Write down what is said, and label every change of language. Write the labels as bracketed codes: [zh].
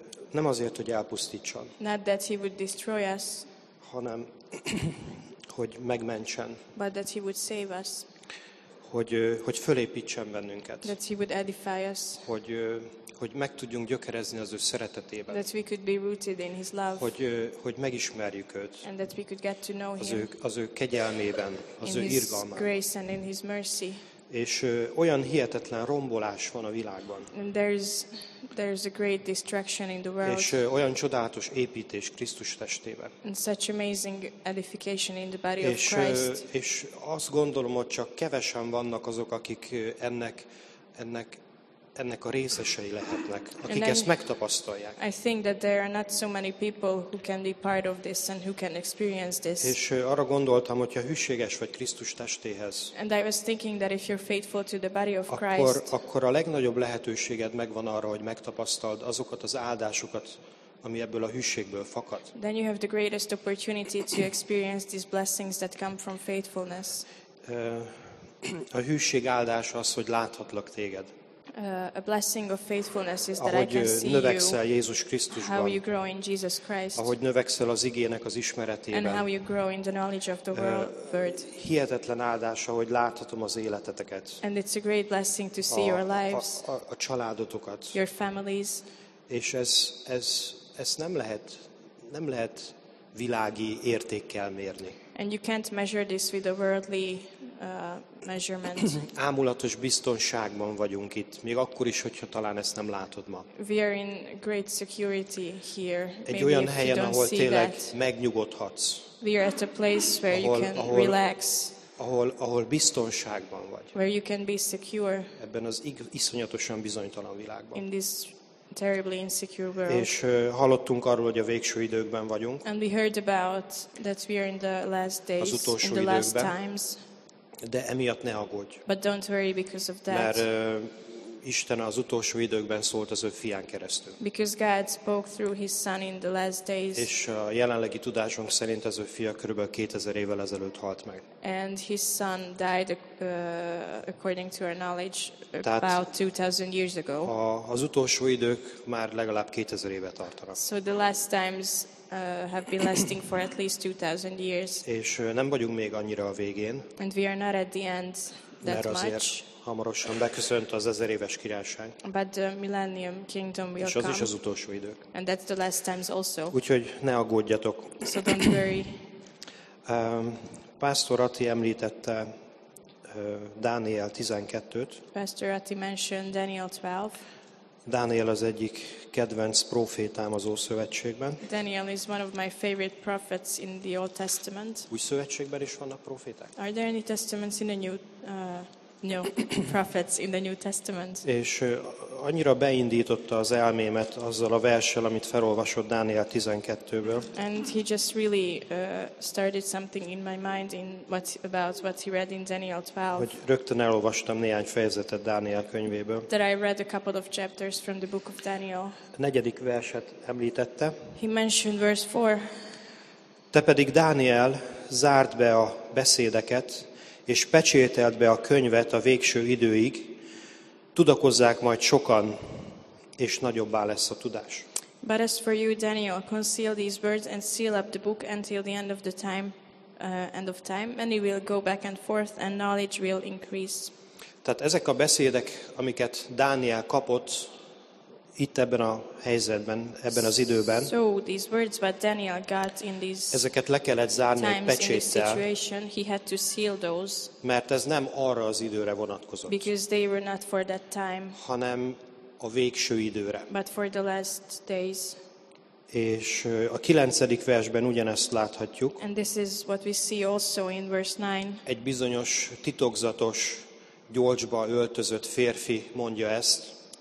[hu] Nem azért, hogy elpusztítson. [en] Not that he would destroy us. [hu] Hanem hogy megmentsen. [en] But that he would save us. [hu] Hogy fölépítsen bennünket. [en] That he would edify us. [hu] Hogy meg tudjunk gyökerezni az ő szeretetében. [en] That we could be rooted in his love. [hu] Hogy megismerjük őt. [en] And that we could get to know him. [hu] Az ő kegyelmében, az ő irgalmában. [en] In his grace and in his mercy. [hu] És olyan hihetetlen rombolás van a világban. [en] And there's a great destruction in the world. [hu] És olyan csodálatos építés Krisztus testében. [en] And such amazing edification in the body of Christ. [hu] És azt gondolom, hogy csak kevesen vannak azok, akik ennek a részesei lehetnek, akik ezt megtapasztalják. [en] I think that there are not so many people who can be part of this and who can experience this. [hu] És arra gondoltam, hogyha hűséges vagy Krisztus testéhez. [en] And I was thinking that if you're faithful to the body of Christ. [hu] Akkor a legnagyobb lehetőséged megvan arra, hogy megtapasztald azokat az áldásokat, ami ebből a hűségből fakad. [en] Then you have the greatest opportunity to experience these blessings that come from faithfulness. [hu] A hűség áldása az, hogy láthatlak téged. [en] A blessing of faithfulness is that [hu] ahogy [en] I can see you. [hu] Növekszel Jézus Krisztusban. [en] How you grow in Jesus Christ. [hu] Ahogy növekszel az igének az ismeretében. [en] And how you grow in the knowledge of the word. [hu] Hihetetlen áldás, ahogy láthatom az életeteket. [en] And it's a great blessing to see your lives. [hu] A családotokat. [en] Your families. [hu] És ez nem lehet világi értékkel mérni. [en] And you can't measure this with a worldly measurement. [hu] Ámulatos biztonságban vagyunk itt, még akkor is, hogyha talán ezt nem látod ma. [en] We are in great security here. [hu] Egy olyan helyen, ahol tényleg megnyugodhatsz. [en] We are at a place where you can relax. [hu] Ahol biztonságban vagy. [en] Where you can be secure. [hu] Ebben az iszonyatosan bizonytalan világban. [en] In this terribly insecure world. [hu] És hallottunk arról, hogy a végső időkben vagyunk. [en] And we heard about that we are in the last days. [hu] Az utolsó [en] in the [hu] időkben. [en] Last times. [hu] De emiatt ne aggódj. [en] But don't worry because of that. [hu] Mert Isten az utolsó időkben szólt az ő fián keresztül. [en] Because God spoke through his son in the last days. [hu] És a jelenlegi tudásunk szerint az ő fia körülbelül 2000 évvel ezelőtt halt meg. [en] And his son died according to our knowledge about 2000 years ago. [hu] Az utolsó idők már legalább 2000 éve tartanak. [en] So the last times have been lasting for at least 2000 years. [hu] És nem vagyunk még annyira a végén. [en] And we are not at the end that [hu] mert azért [en] much. [hu] Hamarosan beköszönt az 1000 éves királyság. [en] But the millennium kingdom will [hu] és az [en] come. [hu] Is az utolsó idők. [en] And that's the last times also. [hu] Úgyhogy ne aggódjatok. [en] So don't worry. [hu] Pásztor Ati említette Dániel 12-t. [en] Pastor Ati mentioned Daniel 12. [hu] Dániel az egyik kedvenc prófétám az Ószövetségben. [en] Daniel is one of my favorite prophets in the Old Testament. [hu] Új Szövetségben is vannak proféták? [en] Are there any testaments in the New no, prophets in the New Testament? [hu] És annyira beindította az elmémet azzal a verssel, amit felolvasott Dániel 12-ből. [en] And he just really started something in my mind in about what he read in Daniel 12. [hu] Hogy rögtön elolvastam néhány fejezetet Dániel könyvéből. [en] That I read a couple of chapters from the book of Daniel. [hu] A negyedik verset említette. [en] He mentioned verse 4. [hu] Te pedig Dániel, zárd be a beszédeket, és pecsételt be a könyvet a végső időig, tudakozzák majd sokan, és nagyobbá lesz a tudás. [en] But as for you, Daniel, conceal these words and seal up the book until the end of the time, and it will go back and forth, and knowledge will increase. [hu] Tehát ezek a beszédek, amiket Dániel kapott, itt ebben a helyzetben, ebben az időben. [en] So these words that Daniel got in these [hu] ezeket le kellett zárni egy pecséttel. [en] He had to seal those, [hu] mert ez nem arra az időre vonatkozott. [en] Because they were not for that time, [hu] hanem a végső időre. [en] But for the last days. [hu] És a 9. versben ugyanezt láthatjuk. [en] And this is what we see also in verse 9. [hu] Egy bizonyos titokzatos gyolcsba öltözött férfi mondja ezt.